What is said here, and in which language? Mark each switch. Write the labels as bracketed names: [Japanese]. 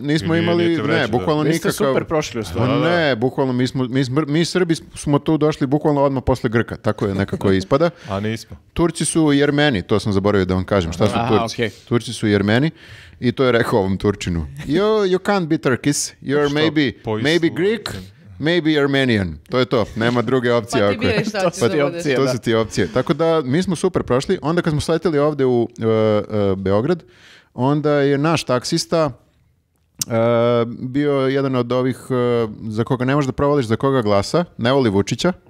[Serbian] Nismo imali, bukvalno nikakav... Vi ste super prošli u stvari. Ne, bukvalno, mi Srbi smo tu došli bukvalno odmah posle Grka. Tako je nekako ispada. A nismo. Turci su Jermeni, to sam zaboravio da vam kažem. Šta su Turci? Turci su Jermeni. I to je rekao ovom Turčinu. [English] You can't be Turkish. You're maybe Greek, maybe Armenian. [Serbian] To je to. Nema druge opcije. Pa ti bilo šta će da budeš. To su ti opcije. Tako da mi smo super prošli. Onda kad smo sleteli ovde u Beograd, onda je naš taksista bio jedan od ovih za koga ne možeš da provališ za koga glasa. Ne voli Vučića.